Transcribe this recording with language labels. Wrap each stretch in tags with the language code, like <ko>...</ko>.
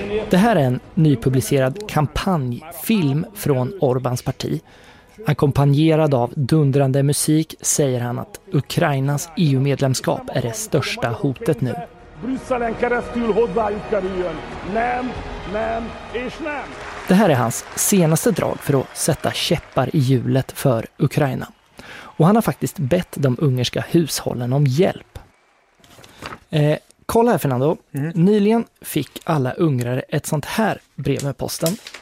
<sv>Det här är en nypublicerad kampanjfilm från Orbáns parti. Ackompanjerad av dundrande musik säger han att Ukrainas EU-medlemskap är det största hotet nu.</sv> <hu>Brysselen keresztül hozzájuk kerüljön. Nem, nem és nem.</hu> <sv>Det här är hans senaste drag för att sätta käppar i hjulet för Ukraina. Och han har faktiskt bett de ungerska hushållen om hjälp. Kolla här, Fernando. Mm. Nyligen fick alla ungrare ett sånt här brev med posten.</sv>